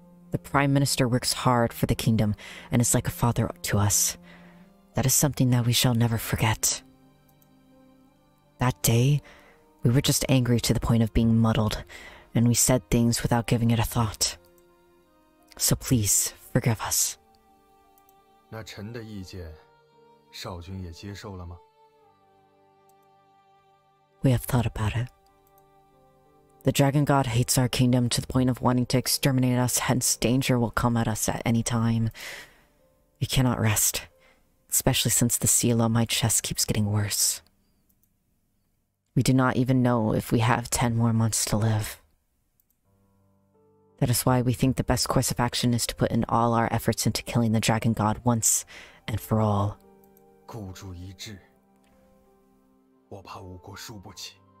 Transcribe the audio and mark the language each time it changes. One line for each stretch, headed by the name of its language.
English: The Prime Minister works hard for the kingdom and is like a father to us. That is something that we shall never forget. That day, we were just angry to the point of being muddled, and we said things without giving it a thought. So please, forgive us.
Chinese: 那臣的意见少君也接受了吗?
English: We have thought about it. The Dragon God hates our kingdom to the point of wanting to exterminate us, hence danger will come at us at any time. We cannot rest, especially since the seal on my chest keeps getting worse. We do not even know if we have 10 more months to live. That is why we think the best course of action is to put in all our efforts into killing the Dragon God once and for all.
Chinese: 孤注一掷，我怕吴国输不起。